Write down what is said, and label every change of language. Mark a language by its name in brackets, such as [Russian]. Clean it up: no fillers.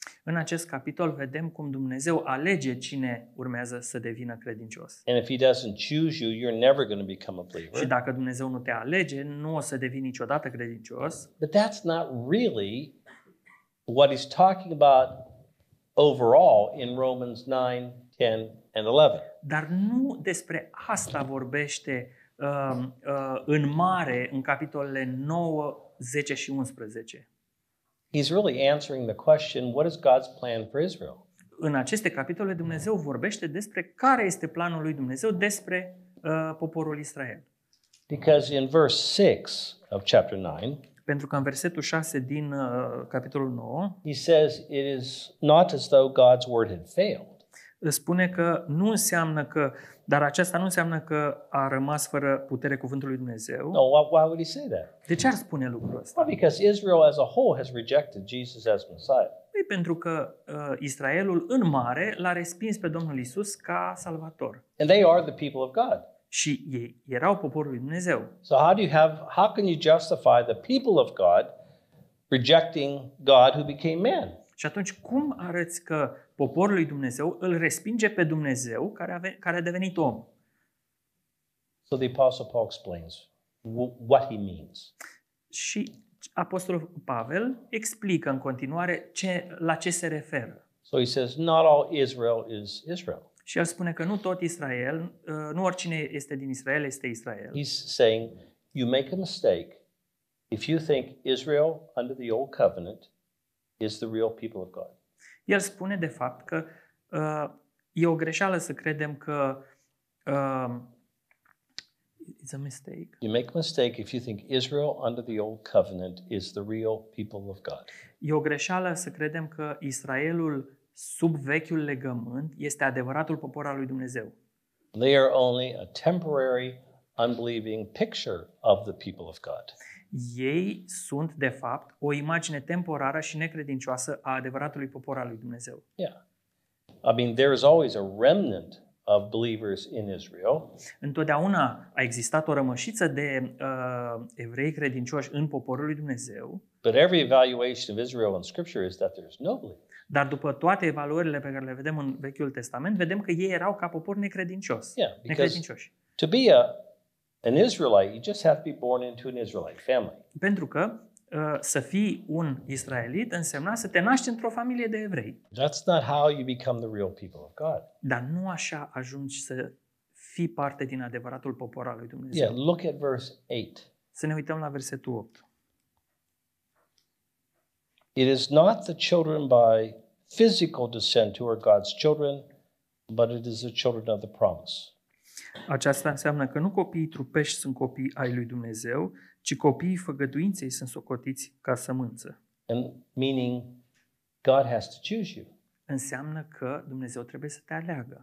[Romanian] În acest capitol vedem cum Dumnezeu alege cine urmează să devină credincios. [English] And if he doesn't choose you, you're never going to become a believer. [Romanian] Și dacă Dumnezeu nu te alege, nu o să devii niciodată credincios. [English] But that's not really what he's talking about overall in Romans 9, 10 and 11. [Romanian] Dar nu despre asta vorbește în mare în capitolele 9, 10 și 11. [English] He's really answering the question, what is God's plan for Israel? [Romanian] În aceste capitole Dumnezeu vorbește despre care este planul lui Dumnezeu despre poporul Israel. [English] Because in verse 6 of chapter 9, [Romanian] pentru că în versetul 6 din capitolul 9, [English] he says it is not as though God's word had failed. [Romanian] Spune că nu înseamnă că, dar aceasta nu înseamnă că a rămas fără putere cuvântul lui Dumnezeu. [English] No, why would he say that? [Romanian] De ce ar spune lucrul ăsta? [English] Well, because Israel as a whole has rejected Jesus as Messiah. [Romanian] E pentru că Israelul în mare l-a respins pe Domnul Iisus ca Salvator. [English] And they are the people of God. [Romanian] Și ei erau poporul lui Dumnezeu. [English] So how can you justify the people of God rejecting God who became man? [Romanian] Și atunci cum arăți că poporul lui Dumnezeu îl respinge pe Dumnezeu care a devenit om? [English] So the Apostle Paul explains what he means. [Romanian] Și Apostolul Pavel explică în continuare la ce se referă. [English] So he says not all Israel is Israel. [Romanian] Și el spune că nu tot Israel, nu oricine este din Israel este Israel. [English] He's saying you make a mistake if you think Israel under the old covenant is the real people of God. [Romanian] El spune de fapt că e o greșeală să credem că [English] it's a mistake. You make a mistake if you think Israel under the old covenant is the real people of God. [Romanian] E o greșeală să credem că Israelul sub vechiul legământ este adevăratul popor al lui Dumnezeu. [English] They are only a temporary unbelieving picture of the people of God. [Romanian] Ei sunt de fapt o imagine temporară și necredincioasă a adevăratului popor al lui Dumnezeu. [English] Yeah. I mean there is always a remnant of believers in Israel. [Romanian] Întotdeauna a existat o rămășiță de evrei credincioși în poporul lui Dumnezeu. [English] But every evaluation of Israel in scripture is that there's no believers. [Romanian] Dar după toate evaluările pe care le vedem în Vechiul Testament, vedem că ei erau ca popor necredincios. [English] Yeah, [Romanian] necredincioși. [English] To be an Israelite, you just have to be born into an Israelite family. [Romanian] Pentru că să fii un israelit însemna să te naști într-o familie de evrei. [English] That's not how you become the real people of God. [Romanian] Dar nu așa ajungi să fii parte din adevăratul popor al lui Dumnezeu. [English] Yeah, look at verse 8. [Romanian] Să ne uităm la versetul 8. [English] It is not the children by physical descent who are God's children, but it is the children of the promise. [Romanian] Aceasta înseamnă că nu copiii trupești sunt copii ai lui Dumnezeu, ci copiii făgăduinței sunt socotiți ca sămânță. [English] And meaning God has to choose you. [Romanian] Înseamnă că Dumnezeu trebuie să te aleagă.